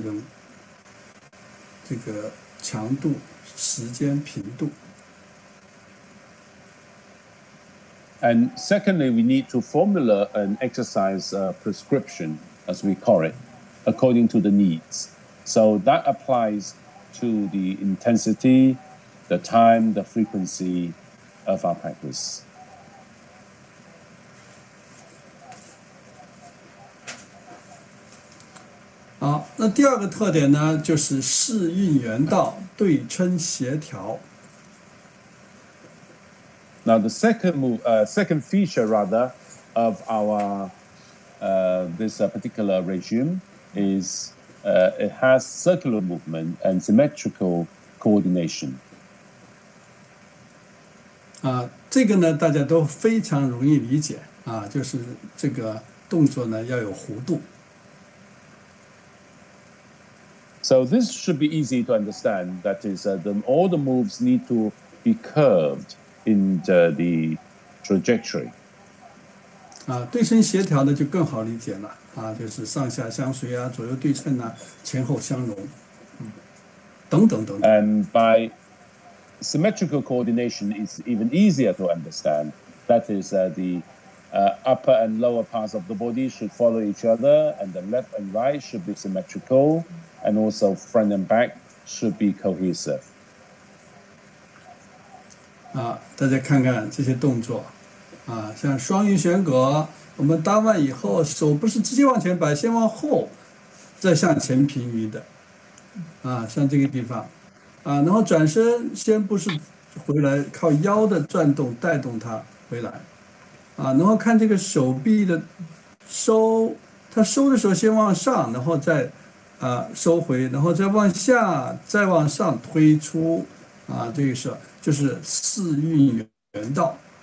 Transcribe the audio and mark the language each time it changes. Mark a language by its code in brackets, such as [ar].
[zh] 那么第二个呢，就是要根据需要来制定运动处方，包括我们的运动处方的这个强度。时间频度. [en] And secondly, we need to formulate an exercise prescription, as we call it, according to the needs. So that applies to the intensity, the time, the frequency of our practice. [zh] 好，那第二个特点呢，就是适应原道，对称协调。 [en] Now the second feature rather of our this particular regime is it has circular movement and symmetrical coordination. [zh] 这个呢，大家都非常容易理解。就是这个动作呢要有弧度。 [en] So this should be easy to understand. That is, all the moves need to be curved in the trajectory. [zh] 对称协调呢就更好理解了。就是上下相随啊，左右对称啊，前后相容，等等等等。 [en] And by symmetrical coordination is even easier to understand. That is, upper and lower parts of the body should follow each other, and the left and right should be symmetrical, and also front and back should be cohesive. [zh] 大家看看这些动作，像双鱼悬阁。我们搭完以后，手不是直接往前摆，先往后，再向前平移的，像这个地方，然后转身先不是回来，靠腰的转动带动它回来，然后看这个手臂的收，它收的时候先往上，然后再收回，然后再往下，再往上推出，这个是就是四运圆道。